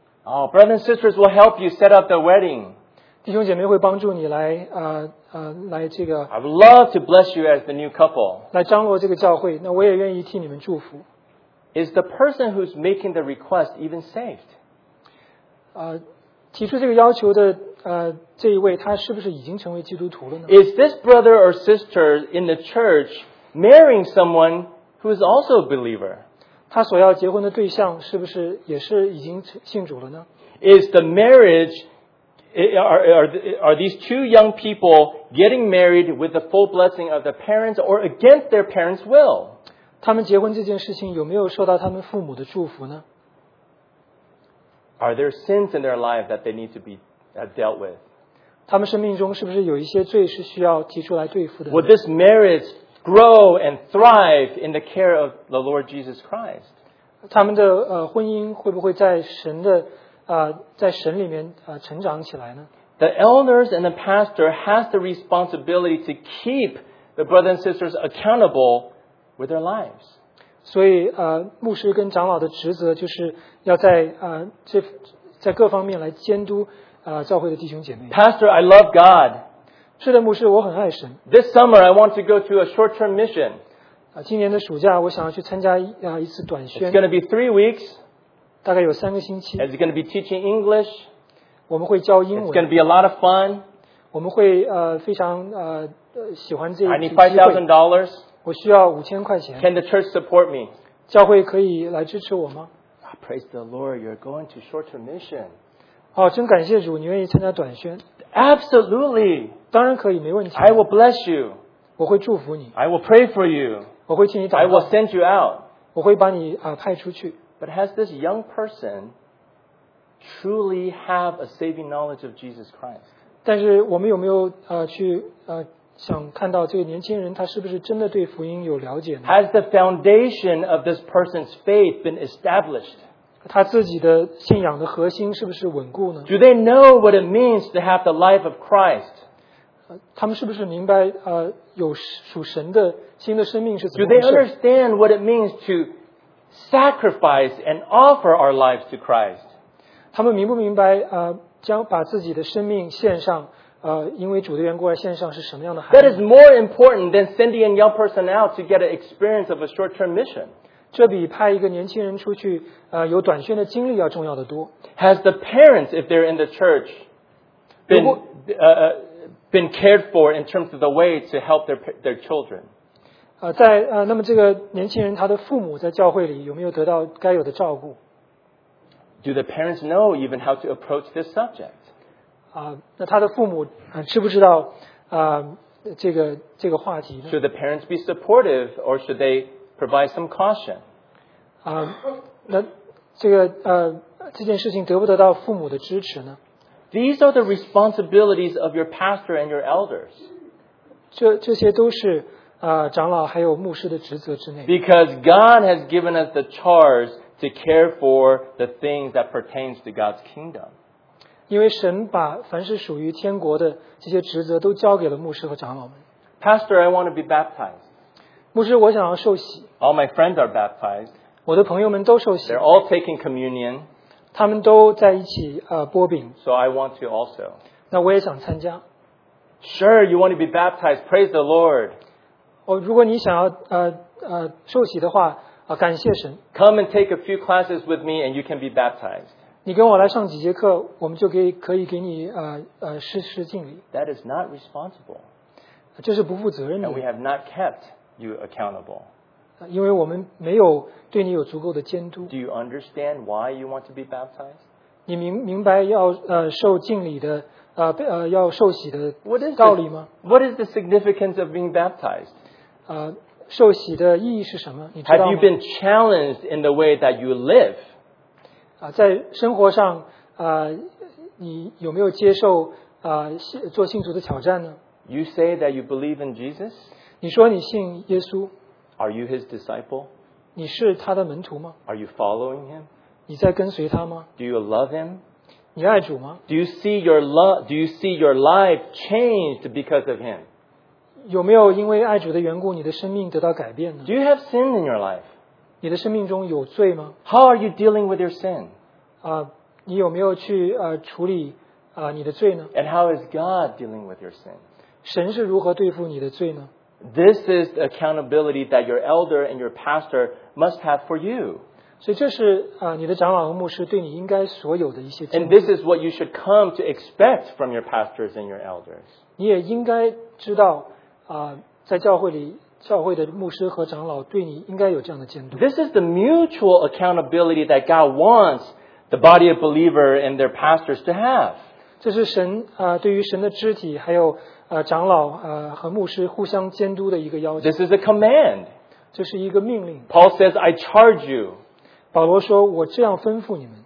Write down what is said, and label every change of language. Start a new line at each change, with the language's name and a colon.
English: Oh, brothers and sisters will help you set up the wedding.
Chinese: 弟兄姐妹会帮助你来来这个。
English: I would love to bless you as the new couple.
Chinese: 来张罗这个教会，那我也愿意替你们祝福。
English: Is the person who's making the request even saved?
Chinese: 提出这个要求的这一位，他是不是已经成为基督徒了呢？
English: Is this brother or sister in the church marrying someone who is also a believer?
Chinese: 他所要结婚的对象是不是也是已经信主了呢？
English: Is the marriage are these two young people getting married with the full blessing of the parents or against their parents' will?
Chinese: 他们结婚这件事情有没有受到他们父母的祝福呢？
English: Are there sins in their life that they need to be dealt with?
Chinese: 他们生命中是不是有一些罪是需要提出来对付的？
English: Would this marriageGrow and thrive in the care of the Lord Jesus Christ.
Chinese: 他们的婚姻会不会在神的在神里面成长起来呢？
English: The elders and the pastor has the responsibility to keep the brothers and sisters accountable with their lives.
Chinese: 所以牧师跟长老的职责就是要在这在各方面来监督教会的弟兄姐妹。
English: Pastor, I love God.
Chinese: 是的，牧师，我很爱神。
English: This summer, I want to go to a short-term mission.
Chinese: 今年的暑假，我想要去参加一次短宣。
English: It's going to be 3 weeks.
Chinese: 大概有三个星期。
English: It's going to be teaching English.
Chinese: 我们会教英文。
English: It's going to be a lot of fun.
Chinese: 我们会非常喜欢这一次机会。
English: I need $5,000.
Chinese: 我需要五千块钱。
English: Can the church support me?
Chinese: 教会可以来支持我吗？
English: Praise the Lord, you're going to short-term mission.
Chinese: 好，真感谢主，你愿意参加短宣。
English: Absolutely.
Chinese: 当然可以，没问题。
English: I will bless you.
Chinese: 我会祝福你。
English: I will pray for you.
Chinese: 我会替你祷告。
English: I will send you out.
Chinese: 我会把你派出去。
English: But has this young person truly have a saving knowledge of Jesus Christ?
Chinese: 但是我们有没有去想看到这个年轻人他是不是真的对福音有了解呢？
English: Has the foundation of this person's faith been established?
Chinese: 他自己的信仰的核心是不是稳固呢？
English: Do they know what it means to have the life of Christ?
Chinese: 他们是不是明白有属神的新的生命是怎么回事？
English: Do they understand what it means to sacrifice and offer our lives to Christ?
Chinese: 他们明不明白将把自己的生命献上因为主的缘故而献上是什么样的含义？
English: That is more important than sending a young person out to get an experience of a short-term mission.
Chinese: 这比派一个年轻人出去有短宣的经历要重要的多。
English: Has the parents, if they're in the church, been cared for in terms of the way to help their children?
Chinese: 那么这个年轻人他的父母在教会里有没有得到该有的照顾？
English: Do the parents know even how to approach this subject?
Chinese: 那他的父母知不知道这个话题呢？
English: Should the parents be supportive or should they provide some caution?
Chinese: 那这个这件事情得不得到父母的支持呢？
English: These are the responsibilities of your pastor and your elders.
Chinese: 这些都是长老还有牧师的职责之内。
English: Because God has given us the charge to care for the things that pertains to God's kingdom.
Chinese: 因为神把凡是属于天国的这些职责都交给了牧师和长老们。
English: Pastor, I want to be baptized.
Chinese: 牧师，我想要受洗。
English: All my friends are baptized.
Chinese: 我的朋友们都受洗。
English: They're all taking communion.
Chinese: 他们都在一起擘饼。
English: So I want to also.
Chinese: 那我也想参加。
English: Sure, you want to be baptized. Praise the Lord.
Chinese: 如果你想要受洗的话感谢神。
English: Come and take a few classes with me and you can be baptized.
Chinese: 你跟我来上几节课，我们就可以给你施施敬礼。
English: That is not responsible.
Chinese: 这是不负责任的。
English: And we have not kept you accountable.
Chinese: 因为我们没有对你有足够的监督。
English: Do you understand why you want to be baptized?
Chinese: 你明白要受敬礼的要受洗的道理吗
English: ？What is the significance of being baptized?
Chinese: 受洗的意义是什么？你知道吗
English: ？Have you been challenged in the way that you live?
Chinese: 在生活上你有没有接受做信徒的挑战呢
English: ？You say that you believe in Jesus.
Chinese: 你说你信耶稣。
English: Are you his disciple?
Chinese: 你是他的门徒吗
English: ？Are you following him?
Chinese: 你在跟随他吗
English: ？Do you love him?
Chinese: 你爱主吗
English: Do you see your life changed because of him?
Chinese: 有没有因为爱主的缘故，你的生命得到改变呢
English: ？Do you have sin in your life?
Chinese: 你的生命中有罪吗
English: ？How are you dealing with your sin？
Chinese: 你有没有去处理你的罪呢
English: ？And how is God dealing with your sin？
Chinese: 神是如何对付你的罪呢
English: ？This is the accountability that your elder and your pastor must have for you。
Chinese: 所以这是你的长老和牧师对你应该所有的一些。
English: And this is what you should come to expect from your pastors and your elders。
Chinese: 你也应该知道在教会里。教会的牧师和长老对你应该有这样的监督。
English: This is the mutual accountability that God wants the body of believer and their pastors to have.
Chinese: 这是神对于神的肢体还有长老和牧师互相监督的一个要求。
English: This is a command.
Chinese: 这是一个命令。
English: Paul says, "I charge you."
Chinese: 保罗说，我这样吩咐你们。